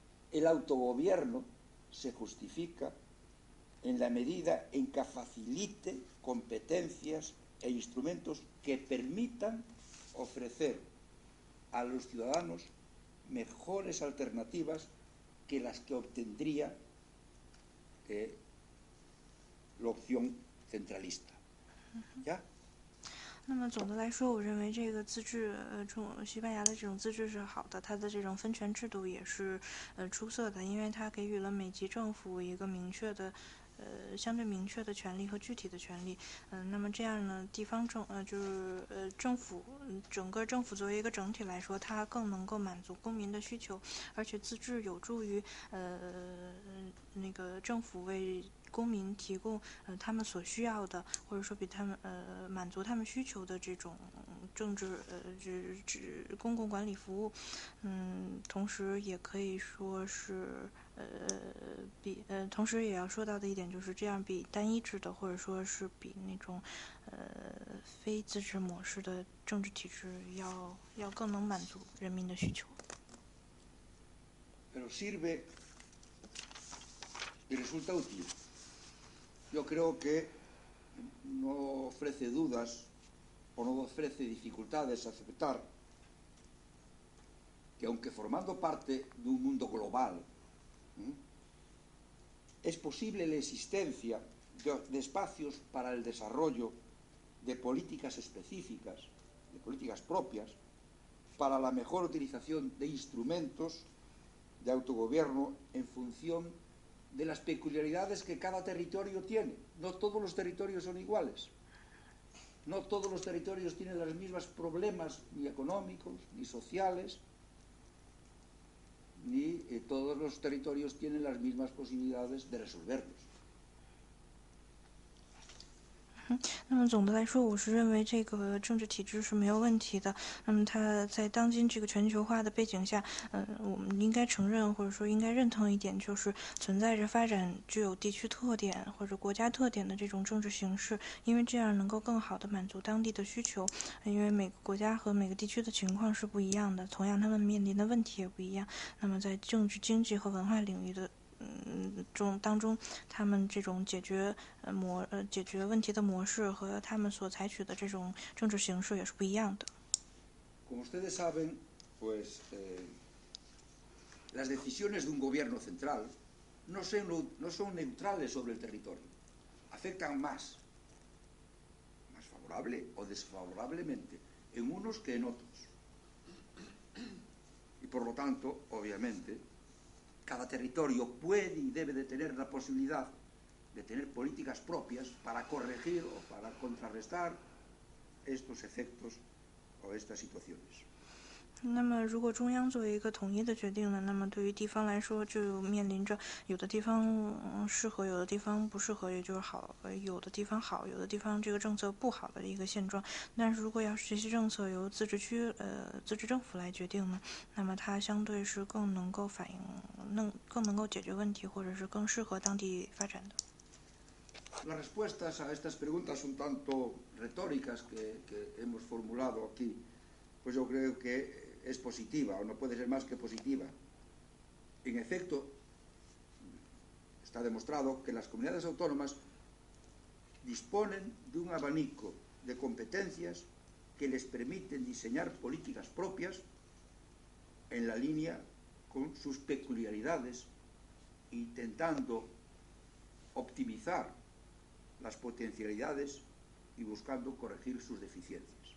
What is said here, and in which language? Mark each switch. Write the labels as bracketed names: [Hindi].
[Spanish] El autogobierno se justifica en la medida en que facilite competencias e instrumentos que permitan ofrecer a los ciudadanos mejores alternativas que las que obtendría la opción centralista. ¿Ya? [Chinese] 那么总的来说，我认为这个自治西班牙的这种自治是好的，它的这种分权制度也是出色的，因为它给予了每级政府一个明确的相对明确的权利和具体的权利。那么这样呢，地方政府整个政府作为一个整体来说，它更能够满足公民的需求，而且自治有助于那个政府为公民提供他们所需要的，或者说比他们满足他们需求的这种政治公共管理服务。同时也可以说是比同时也要说到的一点就是这样比单一制的或者说是比那种非自治模式的政治体制要更能满足人民的需求。 [Spanish] Pero sirve y resulta útil. Yo creo que no ofrece dudas o no ofrece dificultades aceptar que aunque formando parte de un mundo global, es posible la existencia de espacios para el desarrollo de políticas específicas, de políticas propias, para la mejor utilización de instrumentos de autogobierno en función de las peculiaridades que cada territorio tiene. No todos los territorios son iguales. No todos los territorios tienen los mismos problemas, ni económicos, ni sociales, ni todos los territorios tienen las mismas posibilidades de resolverlos. [Chinese] 那么总的来说，我是认为这个政治体制是没有问题的。那么它在当今这个全球化的背景下，我们应该承认或者说应该认同一点，就是存在着发展具有地区特点或者国家特点的这种政治形式，因为这样能够更好地满足当地的需求。因为每个国家和每个地区的情况是不一样的，同样他们面临的问题也不一样。那么在政治、经济和文化领域的当中，他们这种解决问题的模式和他们所采取的这种政治形式也是不一样的。 [Spanish] Como ustedes saben, pues las decisiones de un gobierno central no son neutrales sobre el territorio. Afectan más favorable o desfavorablemente en unos que en otros. Y por lo tanto, obviamente. Cada territorio puede y debe de tener la posibilidad de tener políticas propias para corregir o para contrarrestar estos efectos o estas situaciones. [Chinese] 那么如果中央作为一个统一的决定了，那么对于地方来说就面临着有的地方适合，有的地方不适合，也就是好，有的地方好，有的地方这个政策不好的一个现状。但是如果要是这些政策由自治区自治政府来决定呢，那么它相对是更能够反映更能够解决问题，或者是更适合当地发展的。 [Spanish] Las respuestas a estas preguntas son tanto retóricas que hemos formulado aquí. Pues yo creo que es positiva, o no puede ser más que positiva. En efecto, está demostrado que las comunidades autónomas disponen de un abanico de competencias que les permiten diseñar políticas propias en la línea con sus peculiaridades, intentando optimizar las potencialidades y buscando corregir sus deficiencias.